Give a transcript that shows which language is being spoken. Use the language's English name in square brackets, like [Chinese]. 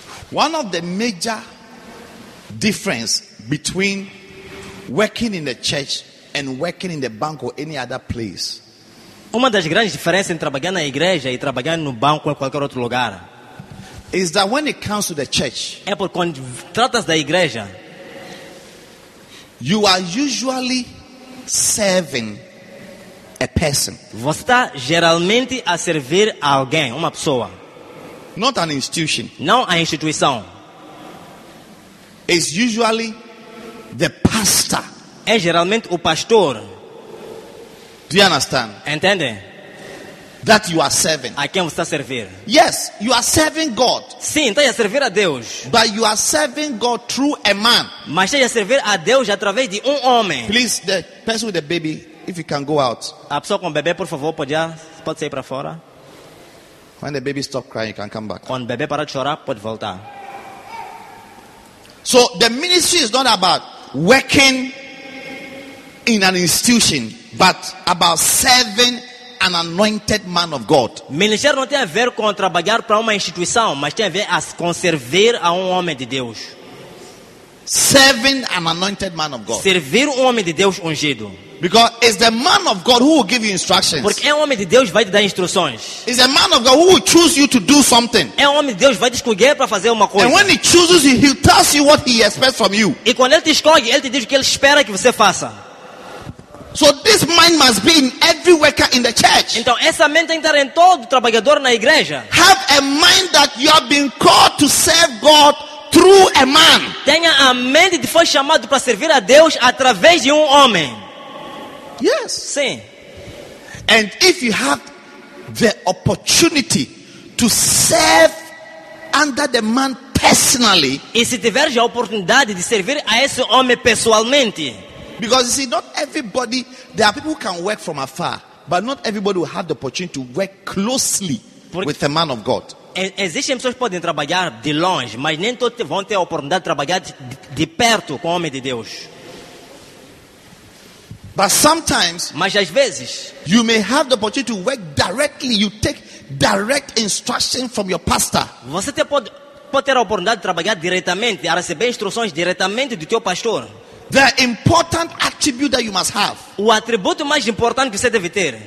[English] One of the major differences between working in the church and working in the bank or any other place. [Portuguese] Uma das grandes diferenças entre trabalhar na igreja e trabalhar no banco ou qualquer outro lugar. [English] Is that when it comes to the church? [Portuguese] É porque quando trata-se da igreja, [English] you are usually serving a person. [Portuguese] Você está geralmente a servir alguém, uma pessoa. [English] Not an institution. [Portuguese] Não a instituição. [English] It's usually the pastor. [Portuguese] É geralmente o pastor. [English] Do you understand? [Portuguese] Entende? [English] That you are serving. [Portuguese] A quem você está servir? [English] Yes, you are serving God. [Portuguese] Sim, está a servir a Deus. [English] But you are serving God through a man. [Portuguese] Mas está a servir a Deus através de homem. [English] Please, the person with the baby, if you can go out. [Portuguese] A pessoa com bebê, por favor, pode sair para fora. [English] When the baby stops crying, you can come back. [Portuguese] Quando o bebê para de chorar, pode voltar. [English] So the ministry is not about working in an institution, but about serving an anointed man of God. [Portuguese] Ministério não tem a ver com trabalhar para uma instituição, mas tem a ver com servir a homem de Deus. [English] Serving an anointed man of God. [Portuguese] Servir homem de Deus ungido. [English] Because it's the man of God who will give you instructions. [Portuguese] Porque é homem de Deus vai te dar instruções. [English] It's the man of God who will choose you to do something. [Portuguese] É homem de Deus vai te escolher para fazer uma coisa. [English] And when he chooses you, he tells you what he expects from you. [Portuguese] E quando ele te escolhe, ele te diz o que ele espera que você faça. [English] So this mind must be in every worker in the church. [Portuguese] Então essa mente tem que estar em todo trabalhador na igreja. [English] Have a mind that you have been called to serve God through a man. [Portuguese] Tenha a mente de foi chamado para servir a Deus através de homem. [English] Yes. [Portuguese] Sim. [English] And if you have the opportunity to serve under the man personally, [Portuguese] e se tiver a oportunidade de servir a esse homem pessoalmente. [English] Because you see, not everybody, there are people who can work from afar, but not everybody will have the opportunity to work closely with a man of God. [Portuguese] Existem pessoas que podem trabalhar de longe, mas nem todos vão ter a oportunidade de trabalhar de perto com o homem de Deus. [English] But sometimes, [Portuguese] mas às vezes, [English] you may have the opportunity to work directly. You take direct instruction from your pastor. [Portuguese] Você pode ter a oportunidade de trabalhar diretamente, a receber instruções diretamente do teu pastor. [English] The important attribute that you must have. [Portuguese] O atributo mais importante que você deve ter.